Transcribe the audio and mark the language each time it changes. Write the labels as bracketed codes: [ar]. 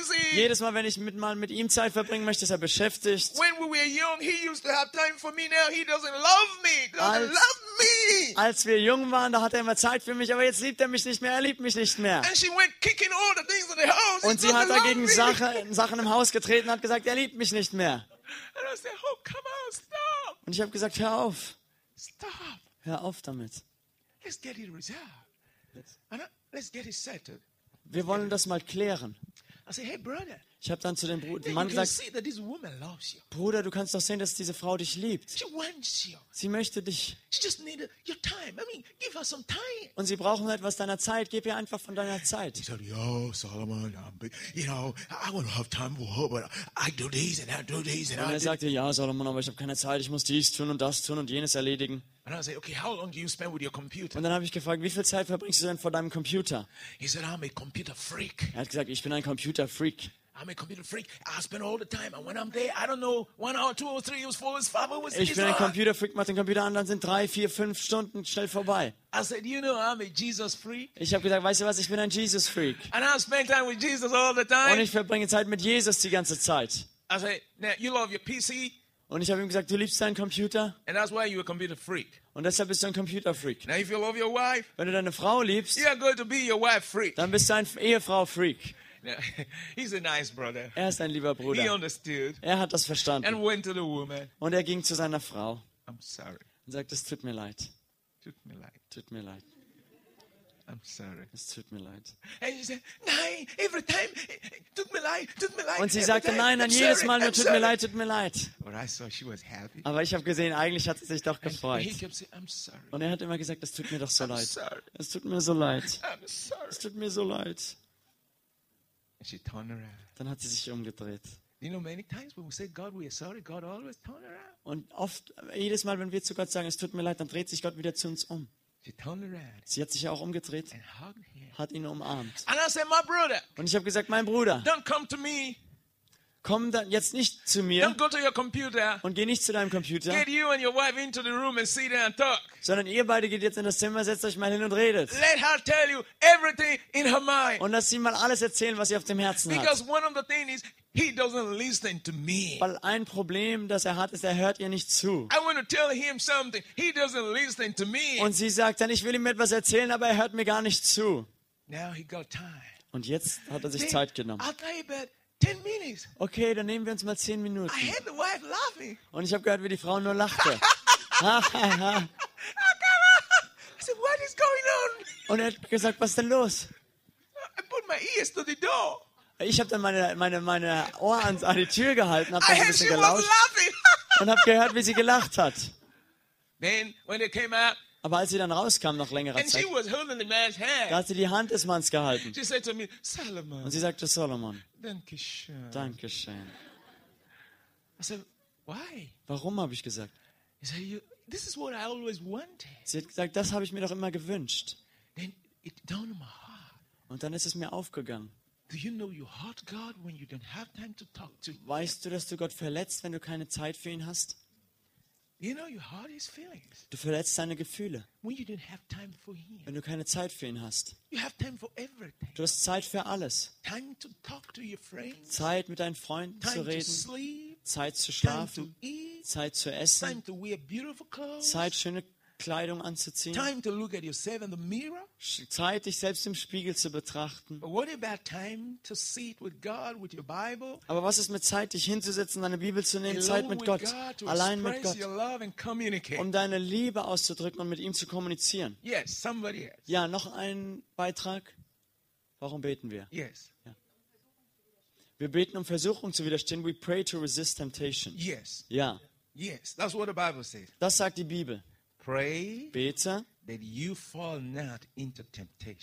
[de] Jedes Mal, wenn ich mal mit ihm Zeit verbringen möchte, ist er beschäftigt. [en] When we were young, he used to have time for me. Now he doesn't love me. Doesn't love me. [de] Als wir jung waren, da hat er immer Zeit für mich, aber jetzt liebt er mich nicht mehr. Er liebt mich nicht mehr. [en] And she went kicking all the things in the house. [de] Und sie hat dagegen Sachen im Haus getreten und hat gesagt, er liebt mich nicht mehr. [en] And I said, oh, come on, stop. [de] Und ich habe gesagt, hör auf. [en] Stop. [de] Hör auf damit. [en] Let's get it reserved. Let's get it settled. [de] Wir wollen das mal klären. [en] I say, hey brother. [de] Ich habe dann zu dem Mann gesagt, Bruder, du kannst doch sehen, dass diese Frau dich liebt. [en] She wants you. [de] Sie möchte dich. [en] She just need your time. I mean, give her some time. [de] Und sie brauchen etwas deiner Zeit. Gib ihr einfach von deiner Zeit. [en] He said, yo, Solomon, you know, I want to have time for her, but I do this and I do this and I do. [de] Und er sagte, ja, Solomon, aber ich habe keine Zeit. Ich muss dies tun und das tun und jenes erledigen. [en] And I said, okay, how long do you spend with your computer? [de] Und dann habe ich gefragt, wie viel Zeit verbringst du denn vor deinem Computer? [en] He said, I'm a computer freak. [de] Er hat gesagt, ich bin ein Computerfreak. [en] I'm a computer freak. I spend all the time. And when I'm there, I don't know, 1 hour, 2 hours, 3 hours, 4 hours, 5 hours. [de] Ich bin ein Computer freak. Mach den Computer an, dann sind 3, 4, 5 Stunden schnell vorbei. [en] I said, you know, I'm a Jesus freak. [de] Ich habe gesagt, weißt du was? Ich bin ein Jesus freak. [en] And I spend time with Jesus all the time. [de] Und ich verbringe Zeit mit Jesus die ganze Zeit. [en] I said, now you love your PC. [de] Und ich habe ihm gesagt, du liebst deinen Computer. [en] And that's why you're a computer freak. [de] Und deshalb bist du ein Computer freak. [en] Now if you love your wife, [de] wenn du deine Frau liebst, [en] you're going to be your wife freak. [de] Dann bist du ein Ehefrau freak. [en] He's a nice brother. [de] Er ist ein lieber Bruder. [en] He understood. [de] Er hat das verstanden. [en] And went to the woman. [de] Und er ging zu seiner Frau. [en] I'm sorry. [de] Und sagt, es tut mir leid. Tut mir leid. Tut mir leid. [en] I'm sorry. [de] Es tut mir leid. [en] And he said, nein, every time, [de] tut mir leid, tut mir leid. Und sie sagte, nein, dann jedes Mal nur, tut mir leid, tut mir leid. [en] But I saw she was happy. [de] Aber ich habe gesehen, eigentlich hat sie sich doch gefreut. [en] And he kept saying, I'm sorry. [de] Und er hat immer gesagt, es tut mir doch so leid. [en] I'm sorry. [de] Es tut mir so leid. [en] I'm sorry. [de] Es tut mir so leid. [en] She turned around. [de] Dann hat sie sich umgedreht. [en] You know, many times when we say God, we are sorry. God always turns around. [de] Und oft jedes Mal, wenn wir zu Gott sagen, es tut mir leid, dann dreht sich Gott wieder zu uns um. [en] She turned around. [de] Sie hat sich auch umgedreht. [en] And hugged him. [de] Hat ihn umarmt. [en] And I said, my brother. [de] Und ich habe gesagt, mein Bruder. [en] Don't come to me. [de] Komm dann jetzt nicht zu mir. [en] Don't go to your computer. [de] Und geh nicht zu deinem Computer. [en] Get you and your wife into the room and sit there and talk. [de] Sondern ihr beide geht jetzt in das Zimmer, setzt euch mal hin und redet. [en] Let her tell you everything in her mind. [de] Und lass sie mal alles erzählen, was sie auf dem Herzen hat. [en] Because one of the things is he doesn't listen to me. [de] Weil ein Problem, das er hat, ist, er hört ihr nicht zu. [en] I want to tell him something. He doesn't listen to me. [de] Und sie sagt dann, ich will ihm etwas erzählen, aber er hört mir gar nicht zu. [en] Now he got time. [de] Und jetzt hat er sich Zeit genommen. [en] I'll tell you about 10 minutes. [de] Okay, dann nehmen wir uns mal 10 Minuten. [en] I heard the wife laughing. [de] Und ich habe gehört, wie die Frau nur lachte. [en] I said, what is going on? [de] Und er hat gesagt, was ist denn los? [en] I put my ears to the door. [de] Ich habe dann meine Ohren an die Tür gehalten, habe ein bisschen gelauscht. [en] She was laughing. [de] Und habe gehört, wie sie gelacht hat. [en] Then, when they came out, [de] aber als sie dann rauskam, nach längerer [en] and [de] Zeit, [en] she was holding the man's hand, [de] da hat sie die Hand des Manns gehalten. [en] She said to me, Solomon. [de] Und sie sagte, Solomon. Dankeschön. Dankeschön. [en] I said, why? [de] Warum, habe ich gesagt. [en] He said, this is what I always wanted. [de] Sie hat gesagt, das habe ich mir doch immer gewünscht. [en] Then it dawned on my heart. [de] Und dann ist es mir aufgegangen. [en] Do you know you hurt God when you don't have time to talk to him? [de] Weißt du, dass du Gott verletzt, wenn du keine Zeit für ihn hast? [en] You know you hurt his feelings. [de] Du verletzt seine Gefühle. [en] When you don't have time for him. [de] Wenn du keine Zeit für ihn hast. [en] You have time for everything. [de] Du hast Zeit für alles. [en] Time to talk to your friends. [de] Zeit mit deinen Freunden [en] time [de] zu reden. [en] To sleep. [de] Zeit zu schlafen. [en] Time to eat. [de] Zeit zu essen. [en] Time to wear beautiful clothes. [de] Zeit schöne Kleidung anzuziehen? [en] Time to look at yourself in the mirror? [de] Zeit, dich selbst im Spiegel zu betrachten. [en] What about time to sit with God, with your Bible? [de] Aber was ist mit Zeit, dich hinzusetzen, deine Bibel zu nehmen, Zeit mit Gott, allein mit Gott, um deine Liebe auszudrücken und mit ihm zu kommunizieren? [en] Yes, somebody else. [de] Ja, noch ein Beitrag. Warum beten wir? [en] Yes. [de] Ja. Wir beten, um Versuchung zu widerstehen. [en] We pray to resist temptation. Yes. [de] Ja. [en] Yes, that's what the Bible says. [de] Das sagt die Bibel. [en] Pray, [de] bete, [en] that you fall not into temptation.